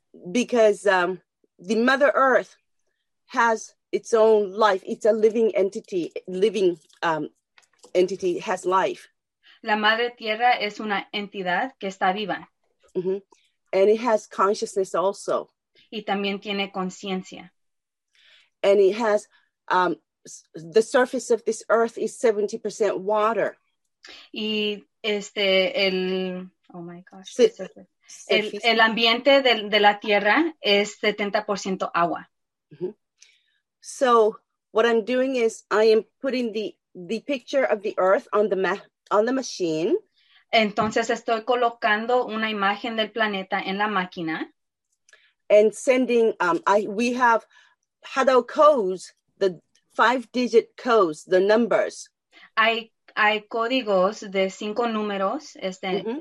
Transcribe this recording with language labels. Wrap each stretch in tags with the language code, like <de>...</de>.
<en>Because the Mother Earth has its own life. It's a living entity. Living entity has life.</en> <es>La Madre Tierra es una entidad que está viva.</es> <en>Mm-hmm. And it has consciousness also.</en> <es>Y también tiene conciencia.</es> <en>And it has, the surface of this earth is 70% water.</en> <es>Y el ambiente de la Tierra es 70% agua. Mm-hmm.</es> <en>So what I'm doing is I am putting the picture of the earth on the map. On the machine.</en> <es>Entonces estoy colocando una imagen del planeta en la máquina. And sending, we have Hado codes, the 5-digit codes, the numbers. Hay códigos de 5 números mm-hmm.</es>